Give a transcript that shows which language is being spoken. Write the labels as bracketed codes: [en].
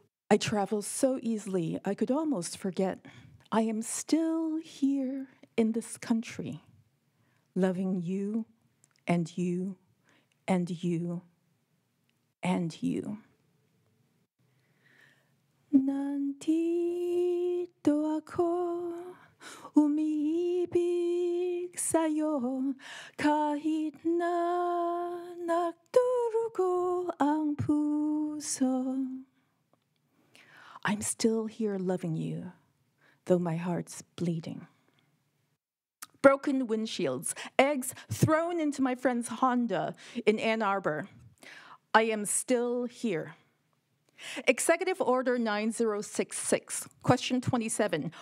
[en] I travel so easily, I could almost forget. I am still here in this country, loving you and you and you. And you. [tl] Nandito ako, umiibig sa'yo, kahit na nagdurugo ang puso. [en] I'm still here loving you, though my heart's bleeding. broken windshields, eggs thrown into my friend's Honda in Ann Arbor. I am still here. Executive Order 9066, Question 27.